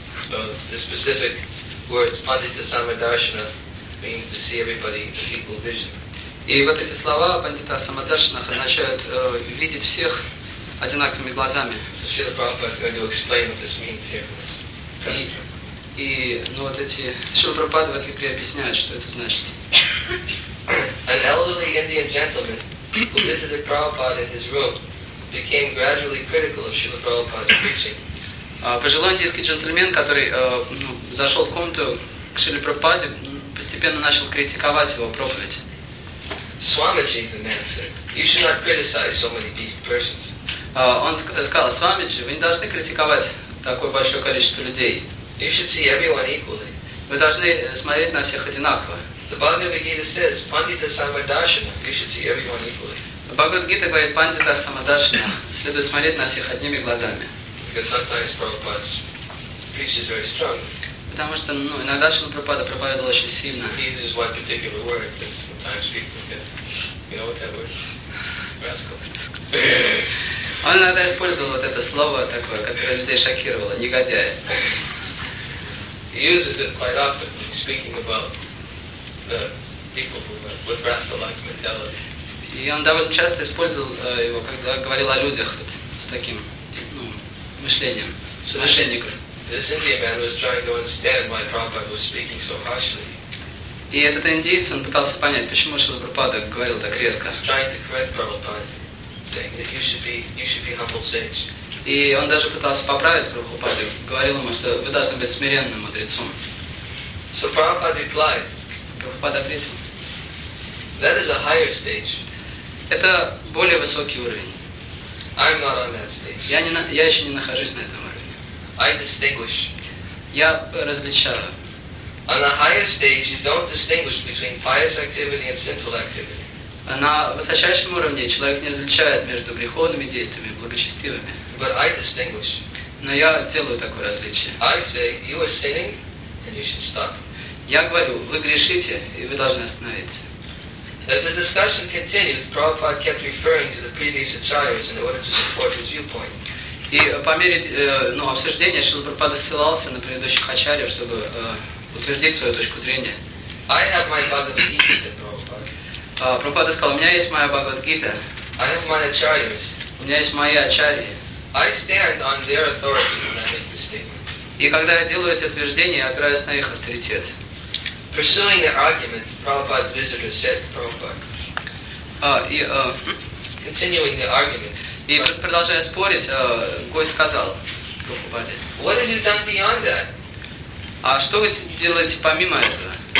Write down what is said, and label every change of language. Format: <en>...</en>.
<en>So the specific words Pandita Samadarshana means to see everybody with equal vision.</en> <ru>И вот эти слова Пандита Самадаршина означают видеть всех одинаковыми глазами.</ru> <en>So Srila Prabhupada is going to explain what this means here.</en> <ru>Srila Prabhupada в этой книге объясняет, что это значит.</ru> <en>An elderly Indian gentleman who visited Prabhupada in his room became gradually critical of Srila Prabhupada's preaching.</en> <ru>Пожилой индийский джентльмен, который зашел в комнату к Шриле Прабхупаде, постепенно начал критиковать его проповедь.</ru> <en>Swamiji, the man said, you should not criticize so many big persons.</en> <ru>Он сказал, Swamiji, вы не должны критиковать такое большое количество людей.</ru> <en>You should see everyone equally.</en> <ru>Вы должны смотреть на всех одинаково.</ru> <en>The Bhagavad Gita says, Pandita Samadarshana, you should see everyone equally.</en> <ru>Bhagavad Gita говорит, Pandita Samadarshana, следует смотреть на всех одними глазами.</ru> <en>Because sometimes Prabhupada's speech is very strong.</en> <ru>Потому что иногда Шрила Прабхупада проповедовал очень сильно.</ru> <en>He uses one particular word that sometimes people get. You know what that word? Rascal.</en> <ru>Он иногда использовал вот это слово такое, которое людей шокировало, негодяя.</ru> <en>He uses it quite often when speaking about the people who are with rascal-like mentality.</en> <ru>И он довольно часто использовал его, когда говорил о людях вот с таким мышлением, мошенников.</ru> <en>This Indian man was trying to understand why Prabhupada was speaking so harshly.</en> <ru>И этот индийец, он пытался понять, почему Шрила Прабхупада говорил так резко.</ru> <en>Trying to correct Prabhupada, saying that you should be humble sage.</en> <ru>И он даже пытался поправить Прабхупаду, говорил ему, что вы должны быть смиренным мудрецом.</ru> <en>So Prabhupada replied.</en> <ru>Прабхупада ответил.</ru> <en>That is a higher stage.</en> <ru>Это более высокий уровень.</ru> <en>I'm not on that stage.</en> <ru>Я еще не нахожусь на этом уровне.</ru> <en>I distinguish.</en> <ru>Я различаю.</ru> <en>On a higher stage, you don't distinguish between pious activity and sinful activity.</en> <ru>На высочайшем уровне человек не различает между греховными действиями и благочестивыми.</ru> <en>But I distinguish.</en> <ru>Но я делаю такое различие.</ru> <en>I say, you are sinning, and you should stop.</en> <ru>Я говорю, вы грешите, и вы должны остановиться.</ru> <en>As the discussion continued, Prabhupada kept referring to the previous acharyas in order to support his viewpoint.</en> <ru>И по мере обсуждения Шрила Прабхупада ссылался на предыдущих ачарьев, чтобы утвердить свою точку зрения.</ru> <en>I have my Bhagavad-gita, said Prabhupada.</en> <ru>Прабхупада сказал, у меня есть моя Бхагавад-гита.</ru> <en>I have my acharyas.</en> <ru>У меня есть мои ачарьи.</ru> <en>I stand on their authority when I make the statements.</en> <ru>И когда я делаю эти утверждения, я опираюсь на их авторитет.</ru> <en>Pursuing their argument, Prabhupada's visitor said to Prabhupada. Continuing the argument.</en> <ru>И продолжая спорить, гость сказал Прабхупаде.</ru> <en>What have you done beyond that?</en> <ru>А что вы делаете помимо этого?</ru>